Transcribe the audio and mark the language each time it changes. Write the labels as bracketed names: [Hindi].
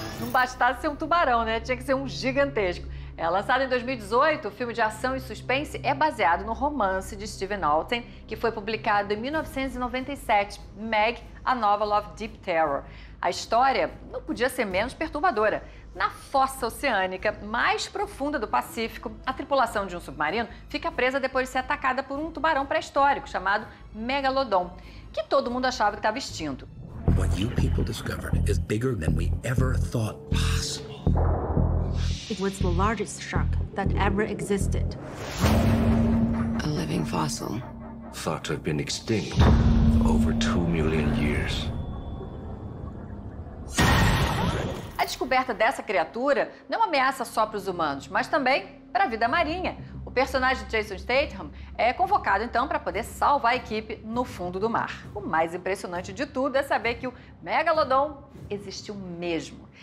[Portuguese] Bastasse ser um tubarão, né? Tinha que ser um gigantesco. É, lançado em 2018, o filme de ação e suspense é baseado no romance de Stephen Austin, que foi publicado em 1997, Meg, a Novel of Deep Terror. A história não podia ser menos perturbadora. Na fossa oceânica mais profunda do Pacífico, a tripulação de um submarino fica presa depois de ser atacada por um tubarão pré-histórico chamado Megalodon, que todo mundo achava que estava extinto. [English] What you people discovered is bigger than we ever thought possible. It was the largest shark that ever existed. A living fossil. Thought to have been extinct for over 2 million years. [Portuguese] A descoberta dessa criatura não ameaça só para os humanos, mas também para a vida marinha. O personagem Jason Statham é convocado, então, para poder salvar a equipe no fundo do mar. O mais impressionante de tudo é saber que o Megalodon existiu mesmo.